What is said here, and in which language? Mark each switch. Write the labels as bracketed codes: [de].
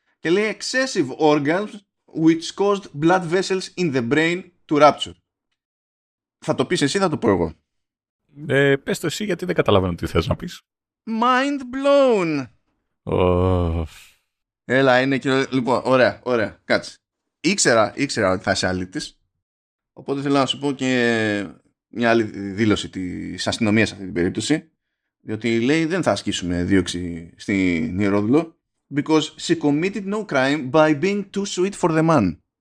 [el] Και λέει [en] excessive organs which caused blood vessels in the brain to rupture. [el] Θα το πεις εσύ, θα το πω εγώ. Πες το εσύ γιατί δεν καταλαβαίνω τι θες να πεις. [en] Mind blown. [el] Έλα, είναι και... Λοιπόν, ωραία, κάτσε. Ήξερα ότι θα είσαι αλήτης. Οπότε θέλω να σου πω και μια άλλη δήλωση της αστυνομίας σε αυτή την περίπτωση. Διότι λέει δεν θα ασκήσουμε δίωξη στην Ιερόδουλο. [en] Because she committed no crime by being too sweet for the man.